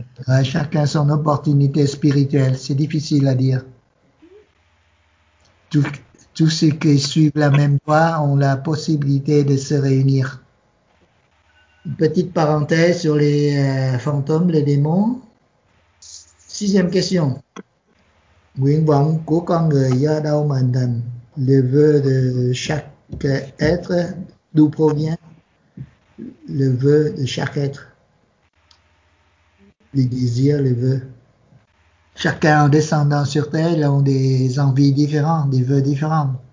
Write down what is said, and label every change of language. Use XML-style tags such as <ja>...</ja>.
<fr>Ouais, chacun son opportunité spirituelle. C'est difficile à dire. Tous ceux qui suivent la même voie ont la possibilité de se réunir. Une petite parenthèse sur les fantômes, les démons. Sixième question.</fr> <vi>Nguyện vọng của con người do đâu mà thành?</vi> <fr>Le vœu de chaque être, d'où provient le vœu de chaque être? Les désirs, les vœux. Chacun en descendant sur terre a des envies différentes, des vœux différents.</fr>